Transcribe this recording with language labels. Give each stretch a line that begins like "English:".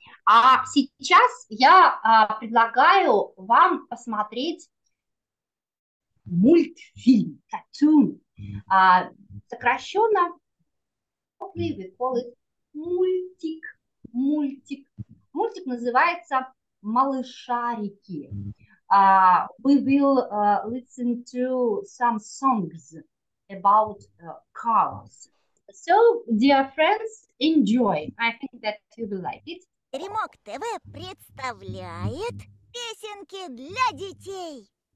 Russian: А сейчас я предлагаю вам посмотреть мультфильм, cartoon. Сокращенно,
English: we call it
Russian: мультик. Мультик. Мультик называется Малышарики.
English: We will listen to some songs about colors. So, dear friends, enjoy. I think that you will like it.
Russian: Ремок ТВ представляет песенки для детей.